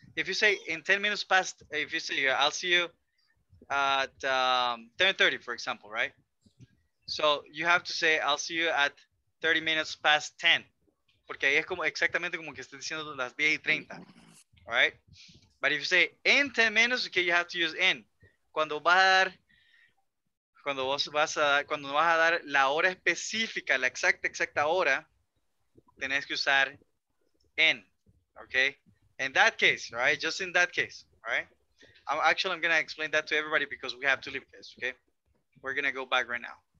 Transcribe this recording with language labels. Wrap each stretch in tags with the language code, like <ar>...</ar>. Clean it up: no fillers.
<en>If you say in 10 minutes past, if you say I'll see you at 10:30, for example, right? So you have to say I'll see you at 30 minutes past 10.</en> <es>Porque ahí es como exactamente como que estoy diciendo las 10 y 30.</es> <en>All right? But if you say in 10 minutes, okay, you have to use in.</en> <es>Cuando vas a dar la hora específica, la exacta hora, tenés que usar in.</es> <en>Okay? In that case, right? Just in that case, all right? I'm going to explain that to everybody because we have to leave this, okay? We're going to go back right now.</en>